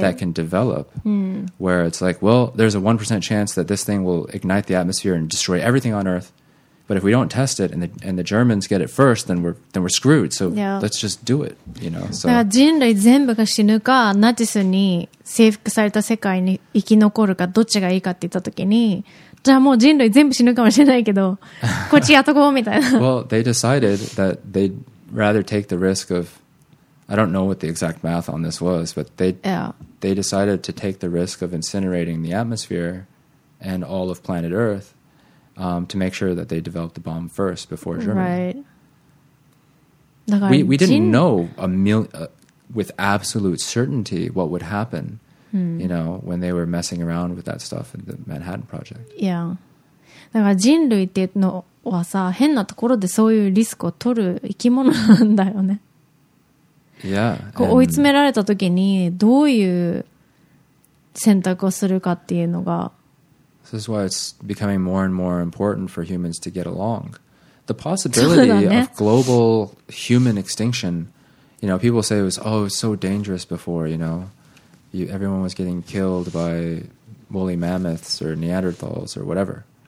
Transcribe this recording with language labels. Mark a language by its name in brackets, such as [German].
[English] that can develop where it's like, well, there's a 1% chance that this thing will ignite the atmosphere and destroy everything on Earth. But if we don't test it and the Germans get it first, then we're screwed. So let's just do it, you know. So [Japanese] 人類全部が死ぬか、ナチスに征服された世界に生き残るか、どっちがいいかって言った時に、じゃあもう人類全部死ぬかもしれないけど、こっちやっとこうみたいな。 [English] Well, they decided that they'd rather take the risk of I don't know what the exact math on this was, but they decided to take the risk of incinerating the atmosphere and all of planet Earth to make sure that they developed the bomb first before Germany. Right. We didn't know with absolute certainty what would happen, you know, when they were messing around with that stuff in the Manhattan Project. Yeah. [Japanese] だから人類っていうのはさ、変なところでそういうリスクを取る生き物なんだよね。 [English] Yeah. [Japanese] こう追い詰められた時にどういう選択をするかっていうのが。 [English] This is why it's becoming more and more important for humans to get along. The possibility of global human extinction, you know, people say it was so dangerous before, you know. Everyone was getting killed by woolly mammoths or Neanderthals or whatever.